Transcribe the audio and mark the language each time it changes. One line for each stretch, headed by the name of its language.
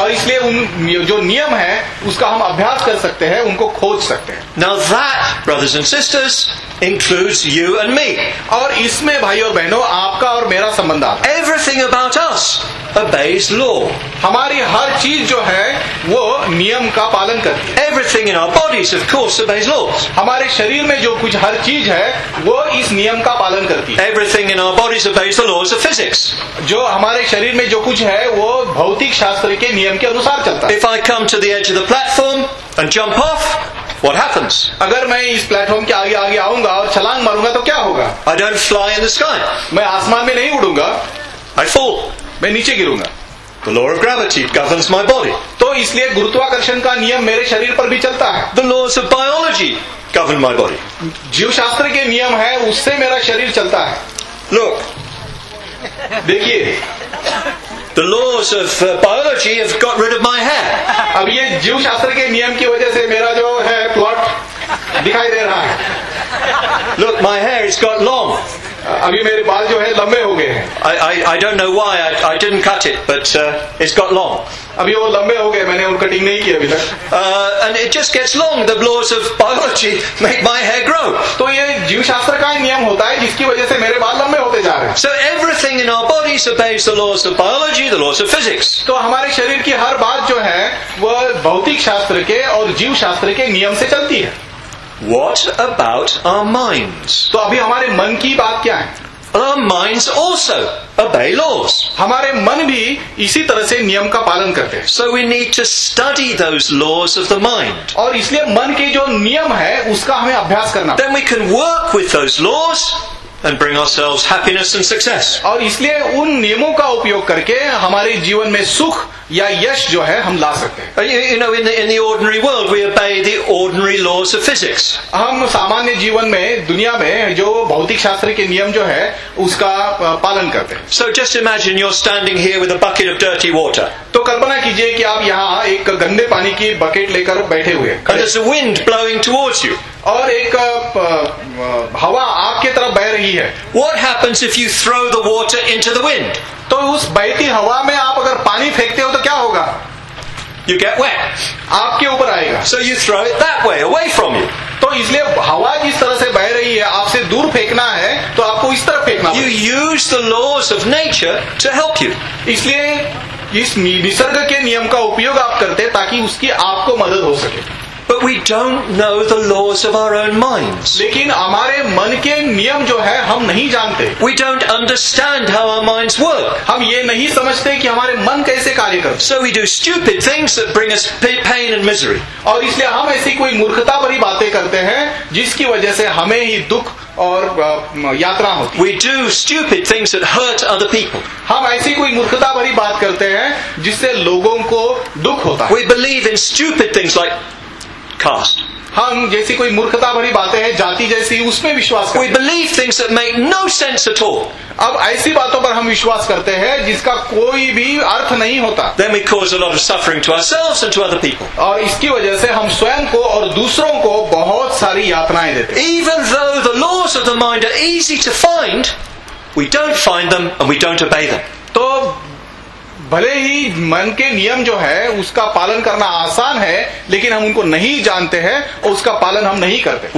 Hindi: और इसलिए उन जो नियम है उसका हम अभ्यास कर सकते हैं, उनको खोज सकते हैं.
English: Now that, brothers and sisters, includes you and me.
Hindi: और इसमें भाई और बहनों आपका और मेरा संबंध आता है.
English: Everything about us obeys law.
Hindi: हमारी हर चीज जो है वो नियम का पालन करती है.
English: Everything in our bodies, of course, obeys laws.
Hindi: हमारे शरीर में जो कुछ हर चीज है वो इस नियम का पालन करती है.
English: Everything in our bodies obeys the laws of physics.
Hindi: जो हमारे शरीर में जो कुछ है वो भौतिक शास्त्र के नियम के अनुसार चलता है.
English: If I come to the edge of the platform and jump off, what happens?
Hindi: अगर मैं इस प्लेटफॉर्म के आगे आगे आऊंगा और छलांग मारूंगा तो क्या होगा?
English: I don't fly in the sky.
Hindi: मैं आसमान में नहीं उड़ूंगा.
English: I fall.
Hindi: मैं नीचे गिरूंगा.
English: The law of gravity governs my body.
Hindi: तो इसलिए गुरुत्वाकर्षण का नियम मेरे शरीर पर भी चलता है.
English: The laws of biology govern my body.
Hindi: जीवशास्त्र के नियम है उससे मेरा शरीर चलता है.
English: Look.
Hindi: देखिए.
English: The laws of biology have got rid of my hair.
Hindi: अब ये जीवशास्त्र के नियम की वजह से मेरा जो है प्लॉट दिखाई दे रहा है.
English: Look, my hair has got long.
Hindi: अभी मेरे बाल जो है लंबे हो गए हैं.
English: I don't know why I didn't cut it, but it's got long.
Hindi: अभी वो लंबे हो गए, मैंने उन कटिंग नहीं की अभी तक.
English: And it just gets long. The laws of biology make my hair grow.
Hindi: तो ये जीवशास्त्र का नियम होता है जिसकी वजह से मेरे बाल लंबे होते जा रहे हैं.
English: So everything in our bodies obeys the laws of biology, the laws of physics.
Hindi: तो हमारे शरीर की हर बात जो है वो भौतिक शास्त्र के और जीवशास्त्र के नियम से चलती है.
English: What about our minds?
Hindi: तो अभी हमारे मन की बात क्या है?
English: But our minds also obey laws.
Hindi: हमारे मन भी इसी तरह से नियम का पालन करते हैं.
English: So we need to study those laws of the mind.
Hindi: और इसलिए मन के जो नियम है उसका हमें अभ्यास करना.
English: Then we can work with those laws and bring ourselves happiness and success.
Hindi: और इसलिए उन नियमों का उपयोग करके हमारे जीवन में सुख या यश जो है हम ला सकते हैं.
English: You know, in the ordinary world, we obey the ordinary laws of physics.
Hindi: हम सामान्य जीवन में दुनिया में जो भौतिक शास्त्र के नियम जो है उसका पालन करते हैं.
English: So just imagine you're standing here with a bucket of dirty water.
Hindi: तो कल्पना कीजिए कि आप यहाँ एक गंदे पानी की बकेट लेकर बैठे हुए.
English: And there's a wind blowing towards you.
Hindi: और एक हवा आपके तरफ बह रही है.
English: What happens if you throw the water into the wind?
Hindi: तो उस बहती हवा में आप अगर पानी फेंकते हो तो क्या होगा?
English: You get wet.
Hindi: आपके ऊपर आएगा.
English: So you throw it that way, away from you.
Hindi: तो इसलिए हवा जिस तरह से बह रही है आपसे दूर फेंकना है तो आपको इस तरह फेंकना.
English: You use the laws of nature to help you.
Hindi: इसलिए इस निसर्ग के नियम का उपयोग आप करते हैं ताकि उसकी आपको मदद हो सके.
English: But we don't know the laws of our own minds.
Hindi: लेकिन हमारे मन के नियम जो है हम नहीं जानते.
English: We don't understand how our minds work.
Hindi: हम ये नहीं समझते कि हमारे मन कैसे कार्य करते.
English: So we do stupid things that bring us pain and misery.
Hindi: और इसलिए हम ऐसी कोई मूर्खता भरी बातें करते हैं जिसकी वजह से हमें ही दुख और यात्रा होती.
English: We do stupid things that hurt other people.
Hindi: हम ऐसी कोई मूर्खता भरी बात करते हैं जिससे लोगों को दुख होता है.
English: We believe in stupid things like cost.
Hindi: हम जैसी कोई मूर्खता भरी बातें हैं जाति जैसी उसमें विश्वास करते हैं.
English: We believe things that make no sense at all.
Hindi: अब ऐसी बातों पर हम विश्वास करते हैं जिसका कोई भी अर्थ नहीं होता.
English: Then we cause a lot of suffering to ourselves and to other people.
Hindi: और इसकी वजह से हम स्वयं को और दूसरों को बहुत सारी यातनाएं देते हैं.
English: Even though the laws of the mind are easy to find, we don't find them and we don't obey them.
Hindi: तो भले ही मन के नियम जो है उसका पालन करना आसान है लेकिन हम उनको नहीं जानते हैं और उसका पालन हम नहीं करते.